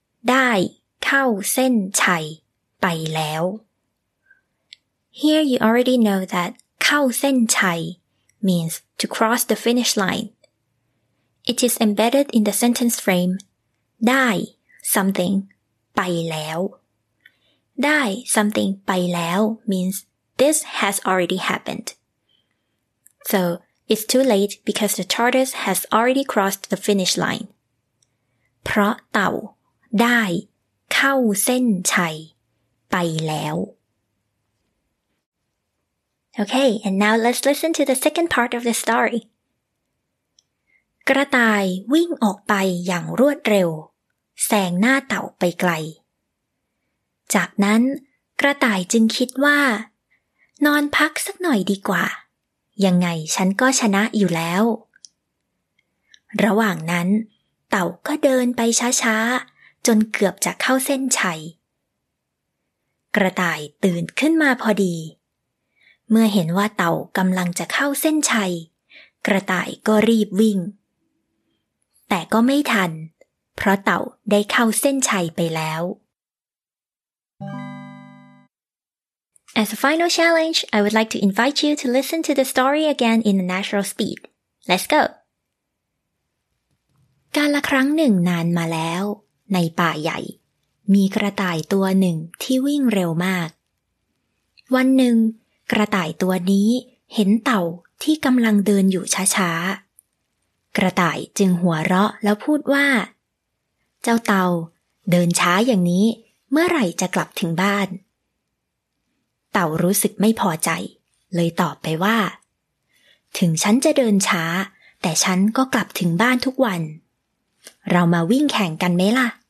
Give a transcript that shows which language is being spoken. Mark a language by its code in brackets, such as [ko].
[th] ได้เข้าเส้นชัยไปแล้ว [en] Here you already know that [th] เข้าเส้นชัย [en] means to cross the finish line. It is embedded in the sentence frame [th] ได้ something ไปแล้ว ได้ something ไปแล้ว [en] means this has already happened. So,It's too late because the tortoise has already crossed the finish line. [th] เพราะเต่าได้เข้าเส้นชัยไปแล้ว [en] Okay, and now let's listen to the second part of the story. [th] กระต่ายวิ่งออกไปอย่างรวดเร็วแซงหน้าเต่าไปไกลจากนั้นกระต่ายจึงคิดว่านอนพักสักหน่อยดีกว่ายังไงฉันก็ชนะอยู่แล้ว ระหว่างนั้นเต่าก็เดินไปช้าๆจนเกือบจะเข้าเส้นชัยกระต่ายตื่นขึ้นมาพอดีเมื่อเห็นว่าเต่ากำลังจะเข้าเส้นชัยกระต่ายก็รีบวิ่งแต่ก็ไม่ทันเพราะเต่าได้เข้าเส้นชัยไปแล้ว [en] As a final challenge, I would like to invite you to listen to the story again in a natural speed. Let's go! [th] กาลครั้งหนึ่งนานมาแล้วในป่าใหญ่มีกระต่ายตัวหนึ่งที่วิ่งเร็วมากวันหนึ่งกระต่ายตัวนี้เห็นเต่าที่กำลังเดินอยู่ช้าๆ กระต่ายจึงหัวเราะแล้วพูดว่าเจ้าเต่าเดินช้าอย่างนี้เมื่อไหร่จะกลับถึงบ้านเต่ารู้สึกไม่พอใจเลยตอบไปว่าถึงฉันจะเดินช้าแต่ฉันก็กลับถึงบ้านทุกวันเรามาวิ่งแข่งกันไหมล่ะ